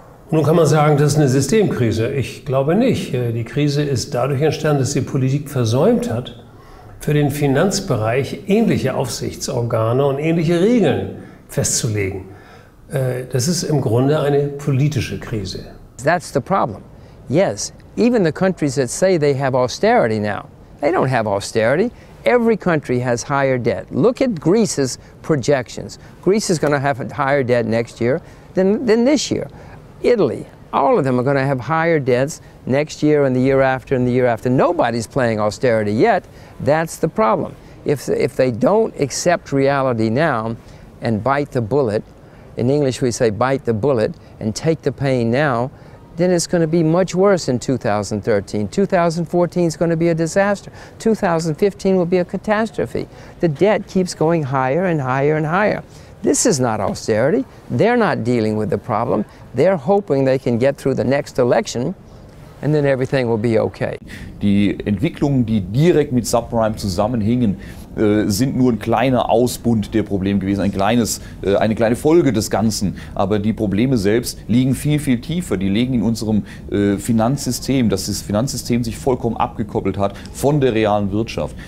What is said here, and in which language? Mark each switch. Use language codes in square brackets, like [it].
[de] Nun kann man sagen, das ist eine Systemkrise. Ich glaube nicht. Die Krise ist dadurch entstanden, dass die Politik versäumt hat, für den Finanzbereich ähnliche Aufsichtsorgane und ähnliche Regeln festzulegen. Das ist im Grunde eine politische Krise. [en] That's the problem. Yes, even the countries that say they have austerity now, they don't have austerity. Every country has higher debt. Look at Greece's projections. Greece is going to have a higher debt next year than this year. Italy, all of them are going to have higher debts next year and the year after and the year after. Nobody's playing austerity yet. That's the problem. If they don't accept reality now and bite the bullet, in English we say bite the bullet and take the pain now, then it's going to be much worse in 2013. 2014 is going to be a disaster. 2015 will be a catastrophe. The debt keeps going higher and higher and higher. This is not austerity. They're not dealing with the problem. They're hoping they can get through the next election. And then everything will be okay. [de] Die Entwicklungen, die direkt mit Subprime zusammenhingen, sind nur ein kleiner Ausbund der Probleme gewesen, eine kleine Folge des Ganzen. Aber die Probleme selbst liegen viel, viel tiefer. Die liegen in unserem Finanzsystem, dass das Finanzsystem sich vollkommen abgekoppelt hat von der realen Wirtschaft.